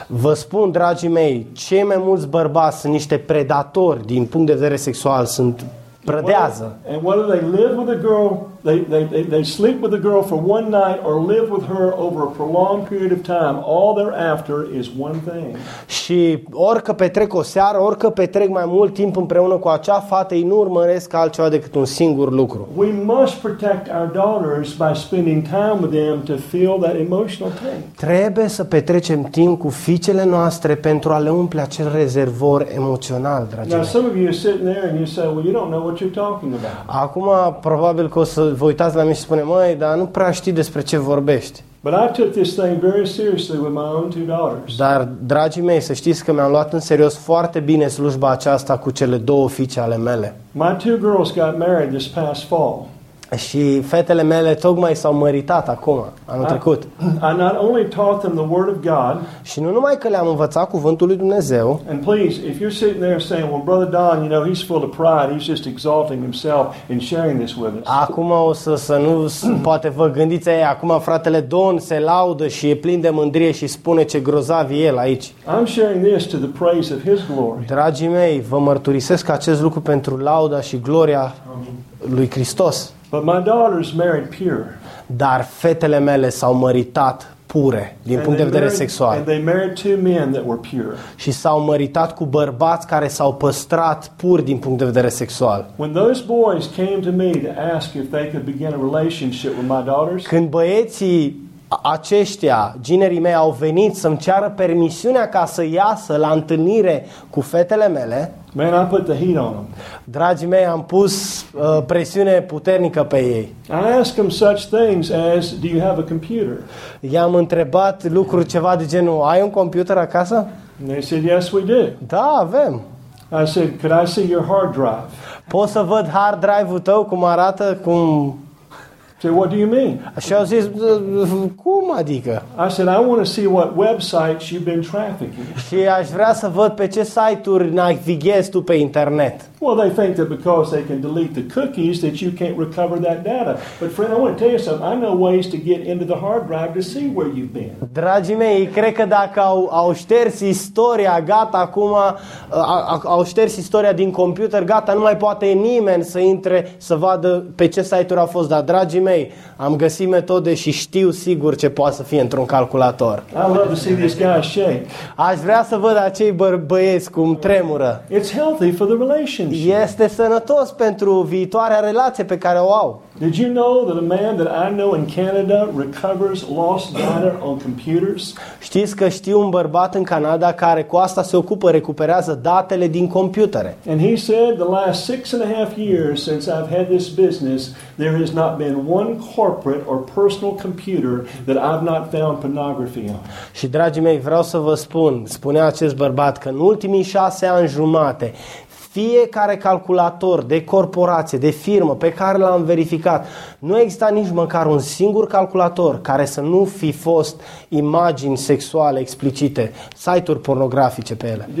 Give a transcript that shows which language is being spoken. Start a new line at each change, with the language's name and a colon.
Romanian: Vă spun, dragii mei, cei mai mulți bărbați sunt niște predatori din punct de vedere sexual, sunt prădează.
English: And whether they live with a girl, they sleep with a girl for one night or live with her over a prolonged period of time, all they're after is one thing.
Romanian: Și orică petrec o seară, orică petrec mai mult timp împreună cu acea fată, ei nu urmăresc altceva decât un singur lucru.
English: We must protect our daughters by spending time with them to feel that emotional tank.
Romanian: Trebuie să petrecem timp cu fiicele noastre pentru a le umple acel rezervor emoțional, dragii mei.
English: Some of you are sitting there and you say, well, you don't know what you're talking about.
Romanian: Acum probabil că o să vă uitați la mine și spune, măi, dar nu prea știi despre ce vorbești.
English: But I took this thing very seriously with my own two daughters.
Romanian: Dar dragii mei, să știți că mi-am luat în serios foarte bine slujba aceasta cu cele două fiice ale mele.
English: My two girls got married this past fall.
Romanian: Și fetele mele tocmai s-au măritat acum, anul trecut.
English: I not only taught them the word of God.
Romanian: Și nu numai că le-am învățat cuvântul lui Dumnezeu.
English: And please, if you're sitting there saying, well, brother Don, you know, he's full of pride, he's just exalting himself in sharing this with us.
Romanian: Acum o să nu poate vă gândiți aia, acum fratele Don se laudă și e plin de mândrie și spune ce grozav e el aici.
English: I'm sharing this to the praise of his glory.
Romanian: Dragii mei, vă mărturisesc acest lucru pentru lauda și gloria lui Hristos.
English: But my daughters married pure.
Romanian: Dar fetele mele s-au măritat pure din punct de vedere sexual.
English: And they married two men that were pure.
Romanian: Și s-au măritat cu bărbați care s-au păstrat puri din punct de vedere sexual.
English: When those boys came to me to ask if they could begin a relationship with my daughters.
Romanian: Când băieții aceștia, ginerii mei, au venit să-mi ceară permisiunea ca să iasă la întâlnire cu fetele mele.
English: Man, I put the heat on them.
Romanian: Dragii mei, am pus presiune puternică pe ei.
English: I ask them such things as, do you have a computer?
Romanian: I-am întrebat lucruri ceva de genul, ai un computer acasă?
English: And they said, yes, we do.
Romanian: Da, avem.
English: I said, could I see your hard drive?
Romanian: Pot să văd hard drive-ul tău, cum arată, cum...
English: Say, what do you mean?
Romanian: Și au zis, cum adică?
English: I said, I want to see what websites you've been trafficking.
Romanian: Și aș vrea să văd pe ce site-uri navighezi tu pe internet.
English: Well, they think that because they can delete the cookies that you can't recover that data. But friend, I want to tell you something. I know ways to get into the hard drive to see where you've been.
Romanian: Dragii mei, cred că dacă au șters istoria, gata, acum au șters istoria din computer, gata, nu mai poate nimeni să intre să vadă pe ce site-uri a fost. Dar, dragii mei, am găsit metode și știu sigur ce poate să fie într-un calculator.
English: I love to see this guy shake.
Romanian: Aș vrea să văd acei băieți cum tremură.
English: It's healthy for the relationship.
Romanian: Este sănătos pentru viitoarea relație pe care o au.
English: Did you know that a man that I know in Canada recovers lost data on computers?
Romanian: Știți că știu un bărbat în Canada care cu asta se ocupă, recuperează datele din computere.
English: And he said the last 6.5 years since I've had this business, there has not been one corporate or personal computer that I've not found pornography on.
Romanian: Și dragii mei, vreau să vă spun, spunea acest bărbat că în ultimii 6.5 ani, fiecare calculator de corporație, de firmă pe care l-am verificat, nu exista nici măcar un singur calculator care să nu fi fost imagini sexuale explicite, site-uri pornografice pe ele.